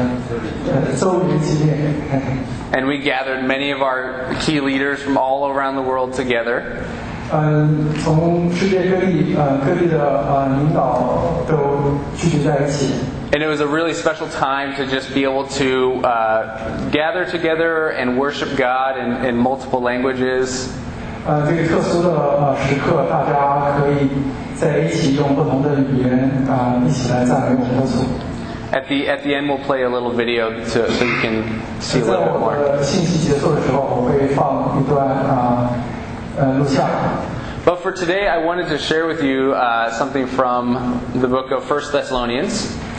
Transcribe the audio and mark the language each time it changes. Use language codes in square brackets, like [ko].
[en] And we gathered many of our key leaders from all around the world together. [zh] 从世界各地的领导都聚集在一起。 [en] And it was a really special time to just be able to gather together and worship God in multiple languages. [zh] 这个特殊的时刻，大家可以。 [en] At the end, we'll play a little video so you can see a little bit more. But for today, I wanted to share with you something from the book of 1 Thessalonians.